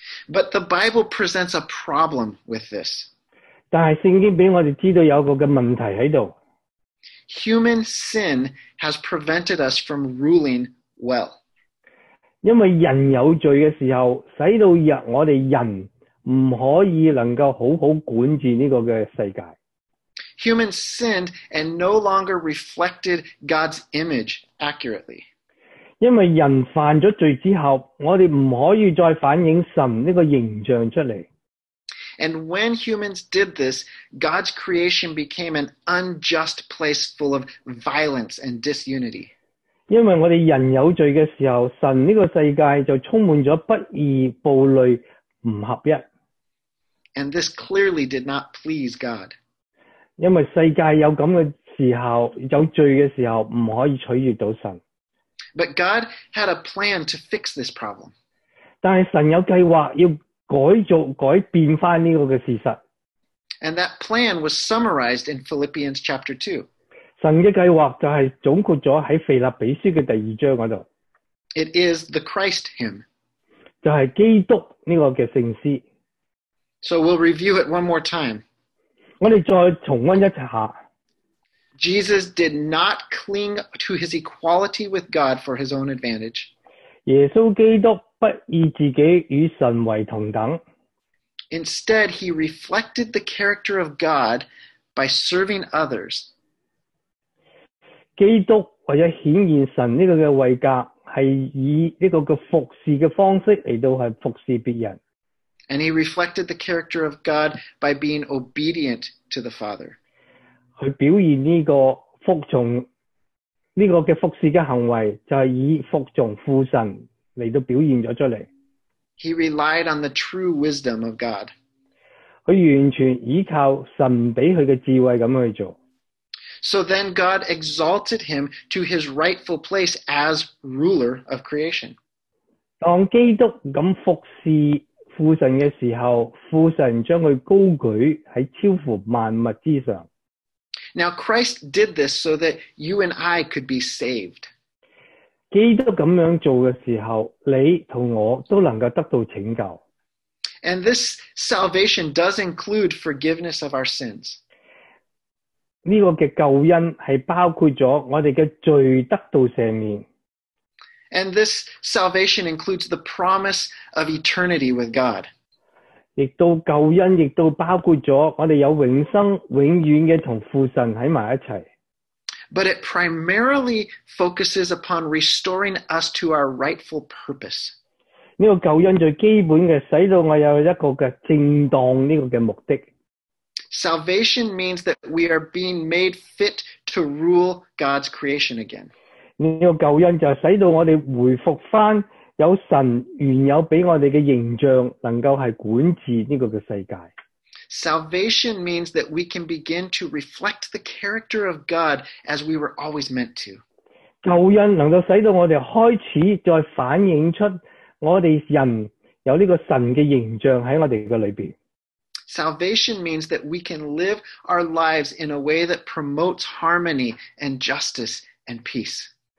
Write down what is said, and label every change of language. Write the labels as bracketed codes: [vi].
[en] But the Bible presents a problem with this. [zh] 但是圣经给我们知道有一个问题在这里。 [en] Human sin has prevented us from ruling well. [zh] 因为人有罪的时候，使到我们人不可以能够好好管治这个的世界。 [en] Humans sinned and no longer reflected God's image accurately. [zh] 因为人犯了罪之后，我们不可以再反映神这个形象出来。 [en] And when humans did this, God's creation became an unjust place full of violence and disunity. [zh] 因为我们人有罪的时候，神这个世界就充满了不义、暴戾、不合一。 [en] And this clearly did not please God. [zh] 因为世界有这样的时候，有罪的时候，不可以取悦到神。 [en] But God had a plan to fix this problem. [zh] 但是神有计划要改造、改变回这个事实。 [en] And that plan was summarized in Philippians chapter 2. [zh] 神的计划就是总括了在腓立比书的第二章那里。 [en] It is the Christ hymn. [zh] 就是基督这个圣诗。 [en] So we'll review it one more time. [zh] 我们再重温一下。 [en] Jesus did not cling to his equality with God for his own advantage. [zh] 耶稣基督不以自己与神为同等。 [en] Instead, he reflected the character of God by serving others. [zh] 基督为了显现神这个位格，是以这个服侍的方式来到是服侍别人。 [en] And he reflected the character of God by being obedient to the Father. [zh] 他表现这个服从，这个服侍的行为，就是以服从父神来到表现了出来。 [en] He relied on the true wisdom of God. [zh] 他完全依靠神给他的智慧这样去做。 [en] So then God exalted him to his rightful place as ruler of creation. [zh] 当基督这样服侍父神的时候，父神将他高举在超乎万物之上。 [en] Now Christ did this so that you and I could be saved. [zh] 基督这样做的时候，你和我都能够得到拯救。 [en] And this salvation does include forgiveness of our sins. [zh] 这个的救恩是包括了我们的罪得到赦免。 [en] And this salvation includes the promise of eternity with God. [zh] 亦都救恩亦都包括了我们有永生永远的和父神在一起。 [en] But it primarily focuses upon restoring us to our rightful purpose. [zh] 这个救恩最基本的使到我有一个的正当这个的目的。 [en] Salvation means that we are being made fit to rule God's creation again. [zh] 这个救恩就使到我们回复回有神原有给我们的形象能够是管治这个世界。 [en] Salvation means that we can begin to reflect the character of God as we were always meant to. [zh] 救恩能够使到我们开始再反映出我们人有这个神的形象在我们的里面。 [en] Salvation means that we can live our lives in a way that promotes harmony and justice and peace.